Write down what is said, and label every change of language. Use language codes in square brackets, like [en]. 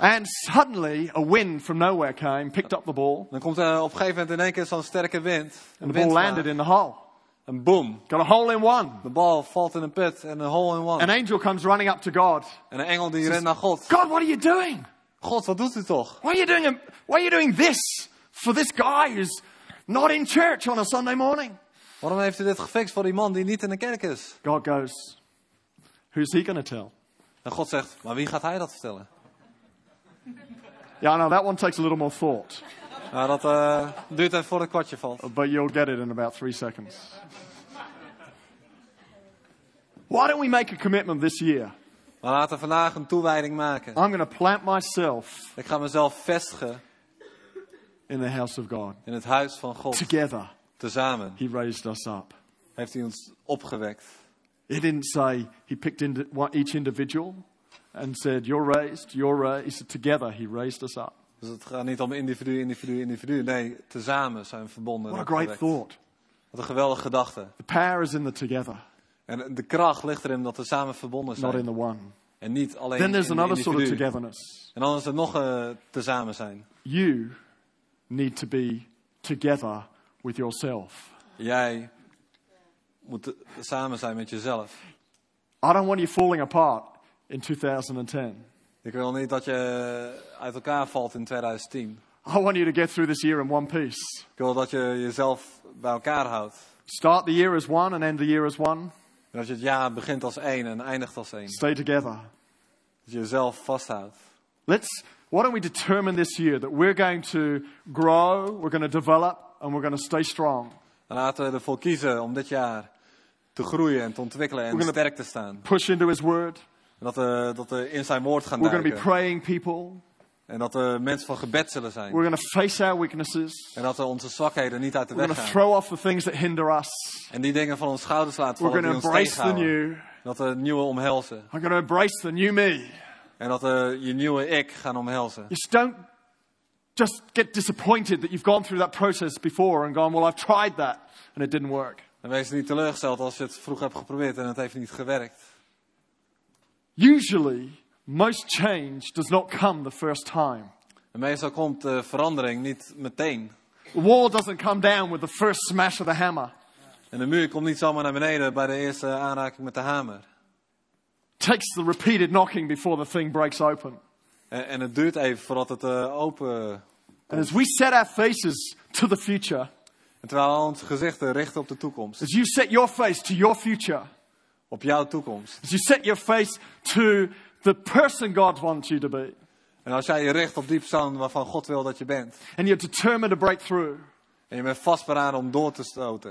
[en] And suddenly a wind from nowhere came, picked up the ball. [nl] Dan komt er op een gegeven moment in één keer zo'n sterke wind. [en] And the ball landed in the hole. [nl] En boom. [en] Got a hole in one. The ball falls in a pit and a hole in one. An angel comes running up to God. [nl] En een engel die rent naar God. [en] God, what are you doing? [nl] God, wat doet u toch? [en] Why are you doing this for this guy who's not in church on a Sunday morning? [nl] Waarom heeft u dit gefixt voor die man die niet in de kerk is? [en] God goes, who's he going to tell? [nl] En God zegt, maar wie gaat hij dat vertellen? [en] Yeah, now that one takes a little more thought. [nl] Nou, dat duurt even voor het kwartje valt. [en] But you'll get it in about 3 seconds. Why don't we make a commitment this year? [nl] We laten vandaag een toewijding maken. [en] I'm going to plant myself. [nl] Ik ga mezelf vestigen. [en] In the house of God. [nl] In het huis van God. [en] Together. [nl] Tezamen. [en] He raised us up. [nl] Heeft hij ons opgewekt. [en] He didn't say he picked each individual and said, you're raised, you're raised. He said, together, he raised us up. [nl] Dus het gaat niet om individu, individu, individu. Nee, tezamen zijn verbonden. [en] What a great thought. [nl] Wat een geweldige gedachte. [en] The power is in the together. [nl] En de kracht ligt erin dat we samen verbonden zijn. [en] Not in the one. [nl] En niet alleen [en] Then there's [nl] in [en] another [nl] de individu. [en] Sort of togetherness. [nl] En dan is er nog een tezamen zijn. [en] You need to be together with yourself. [nl] Jij moet samen zijn met jezelf. [en] I don't want you falling apart in 2010. [nl] Ik wil niet dat je uit elkaar valt in 2010. [en] I want you to get through this year in one piece. [nl] Ik wil dat je jezelf bij elkaar houdt. [en] Start the year as one and end the year as one. [nl] Dat je het jaar begint als één en eindigt als één. [en] Stay together. [nl] Dat je jezelf vasthoudt. [en] Why don't we determine this year that we're going to grow, we're going to develop and we're going to stay strong. [nl] Laten we ervoor kiezen om dit jaar te groeien en te ontwikkelen en sterk te staan. [en] Push into his word. [nl] En dat we in zijn woord gaan duiken. [en] We're going to be praying people. [nl] En dat we mensen van gebed zullen zijn. [en] We're going to face our weaknesses. [nl] En dat we onze zwakheden niet uit de weg gaan. [en] We're going to throw off the things that hinder us. [nl] En die dingen van onze schouders laten vallen die ons tegenhouden. [en] We're going to embrace the new. [nl] Dat we het nieuwe omhelzen. [en] We're going to embrace the new me. [nl] En dat we je nieuwe ik gaan omhelzen. [en] You don't just get disappointed that you've gone through that process before and gone, well, I've tried that and it didn't work. [nl] En wees niet teleurgesteld als je het vroeger hebt geprobeerd en het heeft niet gewerkt. [en] Usually, most change does not come the first time. [nl] En meestal komt de verandering niet meteen. [en] The wall doesn't come down with the first smash of the hammer. [nl] En de muur komt niet zomaar naar beneden bij de eerste aanraking met de hamer. [en] Takes the repeated knocking before the thing breaks open. [nl] En het duurt even voordat het open komt. [en] And as we set our faces to the future. [nl] En terwijl we onze gezichten richten op de toekomst. [en] As you set your face to your future. [nl] Op jouw toekomst. [en] As you set your face to the person God wants you to be. [nl] En als jij je richt op die persoon waarvan God wil dat je bent. [en] And you're determined to break through. [nl] En je bent vastberaden om door te stoten.